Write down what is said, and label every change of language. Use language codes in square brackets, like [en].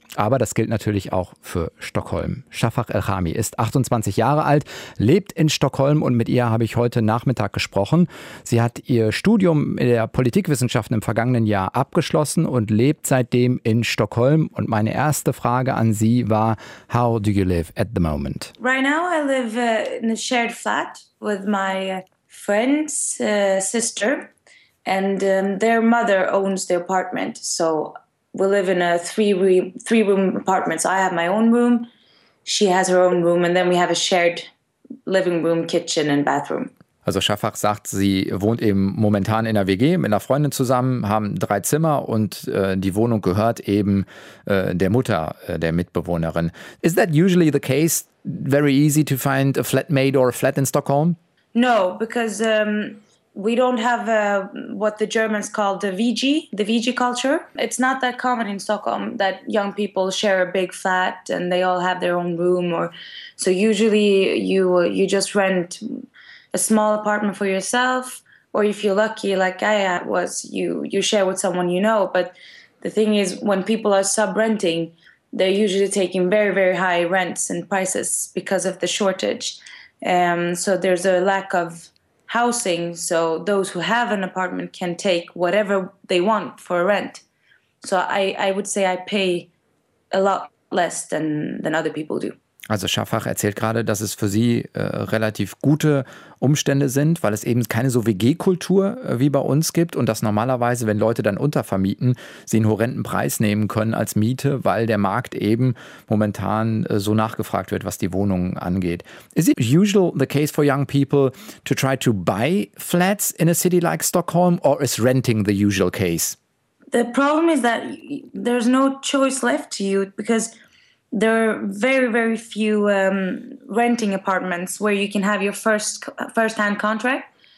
[de] Aber das gilt natürlich auch für Stockholm. Shafak Elhami ist 28 Jahre alt, lebt in Stockholm und mit ihr habe ich heute Nachmittag gesprochen. Sie hat ihr Studium der Politikwissenschaften im vergangenen Jahr abgeschlossen und lebt seitdem in Stockholm. Und meine erste Frage an sie war, [en] how do you live at the moment? Right now I live in a shared flat with my friend's sister and their mother owns the apartment, so we live in a three-room apartment. So I have my own room, she has her own room, and then we have a shared living room, kitchen and bathroom. [de] Also Shafak sagt, sie wohnt eben momentan in einer WG mit einer Freundin zusammen, haben drei Zimmer und die Wohnung gehört eben der Mutter, der Mitbewohnerin. [en] Is that usually the case? Very easy to find a flatmate or a flat in Stockholm? No, because we don't have what the Germans call the VG culture. It's not that common in Stockholm that young people share a big flat and they all have their own room. So usually you just rent a small apartment for yourself, or if you're lucky, like I was, you share with someone you know. But the thing is, when people are sub-renting, they're usually taking very, very high rents and prices because of the shortage. So there's a lack of housing, so those who have an apartment can take whatever they want for a rent. So I would say I pay a lot less than other people do. [de] Also Shafak erzählt gerade, dass es für sie relativ gute Umstände sind, weil es eben keine so WG-Kultur wie bei uns gibt und dass normalerweise, wenn Leute dann untervermieten, sie einen horrenden Preis nehmen können als Miete, weil der Markt eben momentan so nachgefragt wird, was die Wohnungen angeht. [en] Is it usual the case for young people to try to buy flats in a city like Stockholm or is renting the usual case? The problem is that there's no choice left to you because there are very, very few renting apartments where you can have your first-hand contract.